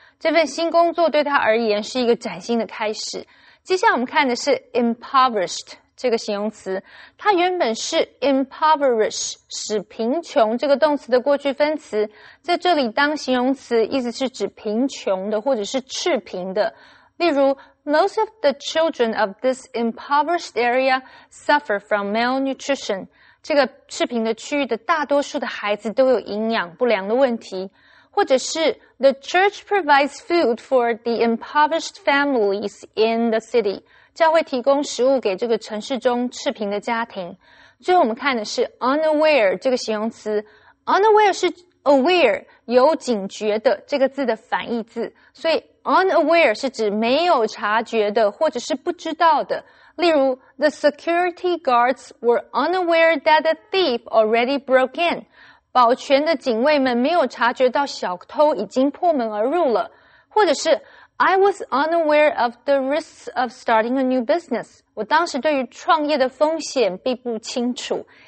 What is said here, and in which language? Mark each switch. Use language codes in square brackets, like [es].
[zh] 这份新工作对她而言是一个崭新的开始。接下来我们看的是 impoverished 这个形容词。它原本是 impoverish, 使贫穷这个动词的过去分词。在这里当形容词意思是指贫穷的或者是赤贫的。例如 [en] ,most of the children of this impoverished area suffer from malnutrition. [zh] 这个赤贫的区域的大多数的孩子都有营养不良的问题。或者是 [en] ,the church provides food for the impoverished families in the city. [zh] 教会提供食物给这个城市中赤贫的家庭。最后我们看的是 unaware 这个形容词。unaware 是aware, 有警觉的这个字的反义字。所以 unaware 是指没有察觉的或者是不知道的。例如 [en] ,the security guards were unaware that a thief already broke in. [zh] 保全的警卫们没有察觉到小偷已经破门而入了。或者是 [en] ,I was unaware of the risks of starting a new business. [zh] 我当时对于创业的风险并不清楚。